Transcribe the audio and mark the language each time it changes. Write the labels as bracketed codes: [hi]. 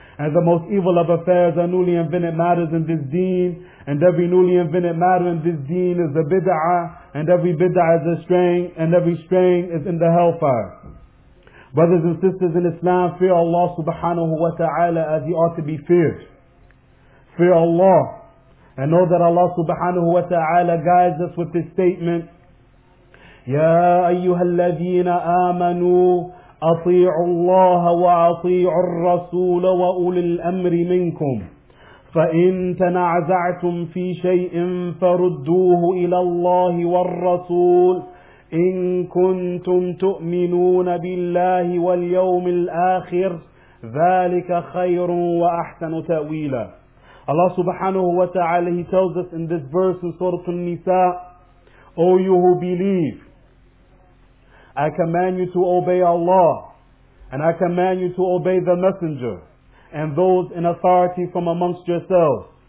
[en] And the most evil of affairs are newly invented matters in this deen. And every newly invented matter in this deen is a bid'ah. And every bid'ah is a straying. And every straying is in the hellfire. Brothers and sisters in Islam, fear Allah subhanahu wa ta'ala as you ought to be feared. Fear Allah, and know that Allah subhanahu wa ta'ala guides us with this statement, [ar] يَا أَيُّهَا الَّذِينَ آمَنُوا أَطِيعُوا اللَّهَ وَأَطِيعُوا الرَّسُولَ وَأُولِي الْأَمْرِ مِنْكُمْ فَإِنْ تَنَعْزَعْتُمْ فِي شَيْءٍ فَرُدُّوهُ إِلَى اللَّهِ وَالرَّسُولِ إِنْ كُنْتُمْ تُؤْمِنُونَ بِاللَّهِ وَالْيَوْمِ الْآخِرِ ذَلِكَ خَيْرٌ وَأَحْسَنُ تَأْوِيلًا. [en] Allah subhanahu wa ta'ala, He tells us in this verse in Surah An-Nisa, O you who believe, I command you to obey Allah, and I command you to obey the Messenger, and those in authority from amongst yourselves.